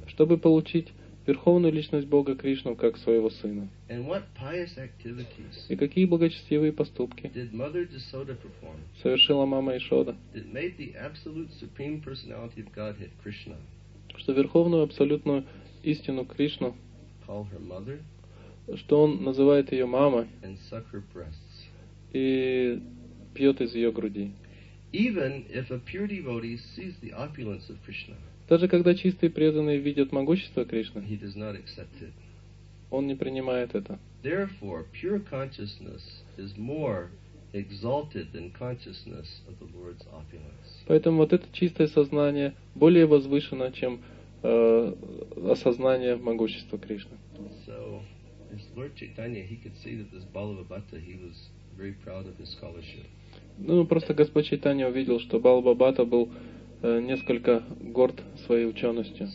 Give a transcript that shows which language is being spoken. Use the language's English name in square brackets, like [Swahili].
[Russian] Чтобы получить верховную личность Бога Кришну как своего сына. [English] And what pious activities? [Russian] И какие благочестивые поступки? [English] Did Mother Yashoda perform? [Russian] Совершила мама Ишода. [English] That made the absolute Supreme Personality of Godhead, Krishna. [Russian] Что верховную абсолютную истину Кришну. [English] Call her mother. [Russian] Что он называет ее мамой. [English] And suck her breasts. [Russian] И пьет из ее груди. [English] Even if a pure devotee sees the opulence of Krishna, [Russian] даже когда чистые преданные видят могущество Кришны, [English] he does not accept it. [Russian] Он не принимает это. [English] Therefore, pure consciousness is more exalted than consciousness of the Lord's opulence. [Russian] Поэтому вот это чистое сознание более возвышено, чем осознание могущества Кришны. [English] So, as Lord Chaitanya, he could see that this Balabhata, he was very proud of his scholarship. [Russian] Ну, просто Господь Чайтанья увидел, что Балбабата был несколько горд своей ученостью.